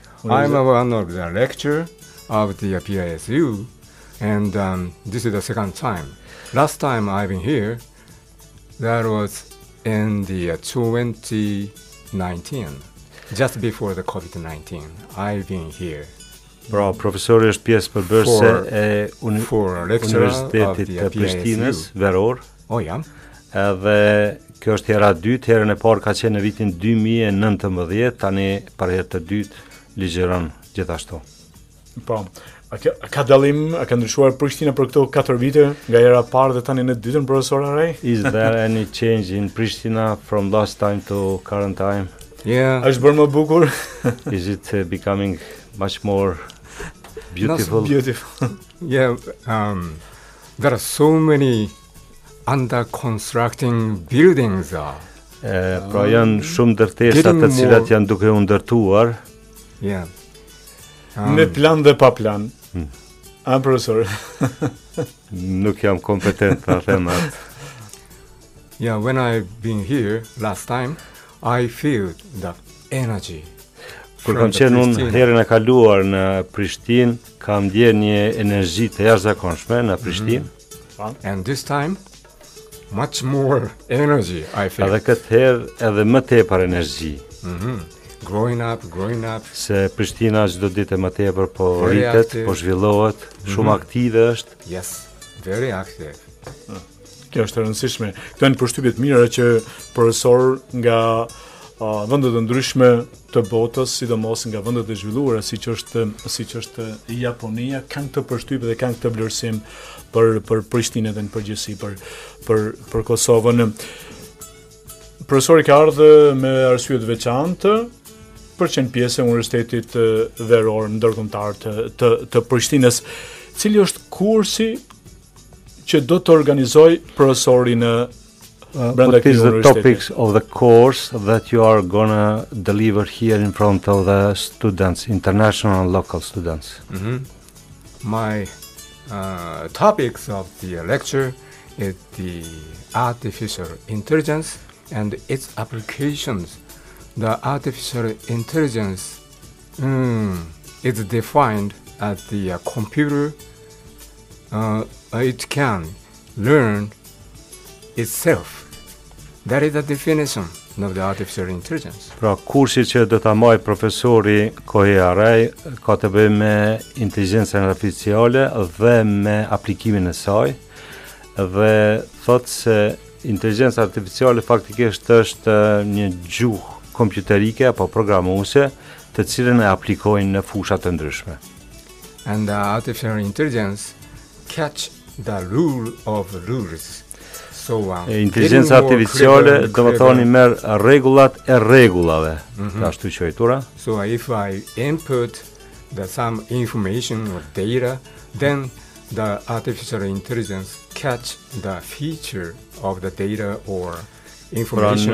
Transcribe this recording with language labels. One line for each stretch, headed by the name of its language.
English: I'm one of the lecturers of the PISU, and this is the second time. Last time I've been here, that was in the 2019, just before the COVID-19. I've been here.
Albanian: Bra, profesori është pjesë përbërëse e Universitetit të Prishtinës, Veror. Oh, jam. Edhe kjo është hera dytë, herën e parë ka qenë në vitin 2019, tani për herë të dytë ligjëron gjithashtu. Po, a ka ndryshuar Prishtina për këto 4 vite, nga hera parë dhe tani në dytën, profesor Arai?
English: Is there any change in Prishtina from last time to current time? Yeah.
Albanian: Është bërë më bukur?
English: Is it becoming much more beautiful? Not so beautiful. Yeah, there are so many under-constructing buildings.
Albanian: Pra janë shumë ndërtesa të cilat janë duke u ndërtuar.
English: Yeah.
Albanian: Me plan dhe pa plan. A, profesor? Nuk jam kompetent në themat.
English: Yeah, when I've been here last time, I feel the energy.
Albanian: Kur kam qenë unë herën e kaluar në Prishtinë, kam ndjerë një energji të jashtëzakonshme në Prishtinë. Mm-hmm.
English: And this time much more energy I feel.
Albanian: Edhe këtë herë edhe më tepër energji.
English: Mm-hmm. Growing up.
Albanian: Se Prishtina çdo ditë e më tepër po rritet, po zhvillohet, mm-hmm. shumë aktive është.
English: Yes. Very active. Mm.
Albanian: Kjo është e rëndësishme. Këto janë përshtypje të mira që profesor nga vendet e ndryshme të botës, sidomos nga vendet e zhvilluara siç është Japonia, kanë këtë përshtypje dhe kanë këtë vlerësim për Prishtinën dhe në përgjithësi për Kosovën. Profesori ka ardhur me arsye të veçantë për qenë pjesë e Universitetit Veror ndërkombëtar të Prishtinës. Cili është kursi që do të organizoj profesori në
English: What is the topics of the course that you are going to deliver here in front of the students, international and local students? Mm-hmm. My topics of the lecture is the artificial intelligence and its applications. The artificial intelligence is defined as the computer. It can learn itself. That is the definition of the artificial intelligence.
Albanian: Pra kursi që do ta marrë profesori Kohei Arai ka të bëjë me inteligjencën artificiale dhe me aplikimin e saj. Dhe thotë se inteligjenca artificiale faktikisht është një gjuhë kompjuterike apo programuese të cilën e aplikojnë në fusha të ndryshme.
English: And the artificial intelligence catch the rule of rules.
Albanian: Inteligjenca artificiale, do të thoni, merr rregullat e rregullave, mm-hmm. ashtu quajtura.
English: So if I input the some information or data, then the artificial intelligence catch the feature of the data or information.